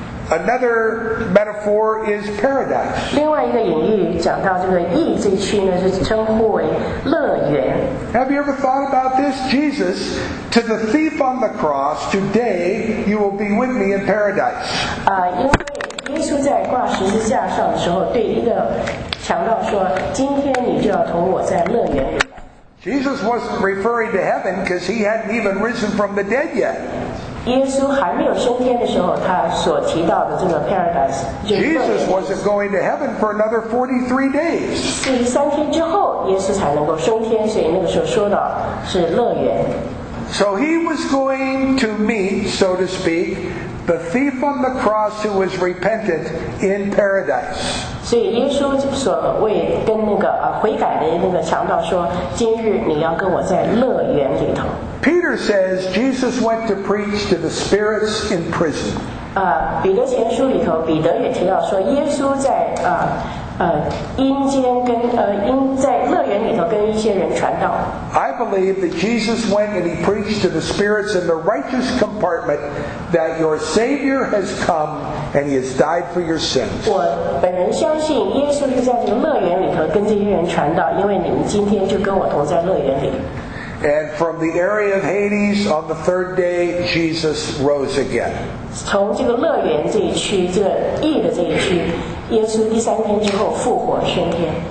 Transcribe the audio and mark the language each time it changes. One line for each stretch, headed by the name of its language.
English: Another metaphor is paradise.
Chinese: 另外一个隐喻讲到这个义这区呢，是称呼为乐园。
English: Have you ever thought about this, Jesus? To the thief on the cross, today you will be with me in paradise.
Chinese: 因为耶稣在挂十字架上的时候，对一个强盗说，今天你就要同我在乐园里。
English: Jesus was referring to heaven because he hadn't even risen from the dead yet.
Chinese: 耶稣还没有升天的时候，他所提到的这个 paradise 就是。
English: Jesus wasn't going to heaven for another 43 days.
Chinese: 43天之后，耶稣才能够升天，所以那个时候说的是乐园。
English: So he was going to meet, so to speak, the thief on the cross who was repentant in paradise.
Chinese: 所以耶稣所谓跟那个悔改的那个强盗说，今日你要跟我在乐园里头。
English: Peter says Jesus went to preach to the spirits in prison.
Chinese: 彼得前书里头，彼得也提到说，耶稣在在乐园里头跟一些人传道。
English: I believe that Jesus went and he preached to the spirits in the righteous compartment that your Savior has come and he has died for your sins.
Chinese: 我本人相信耶稣是在这个乐园里头跟这些人传道，因为你们今天就跟我同在乐园里。
English: And from the area of Hades, on the third day, Jesus rose again.
Chinese: 从这个乐园这一区，这个义的这一区，耶稣第三天之后复活升天。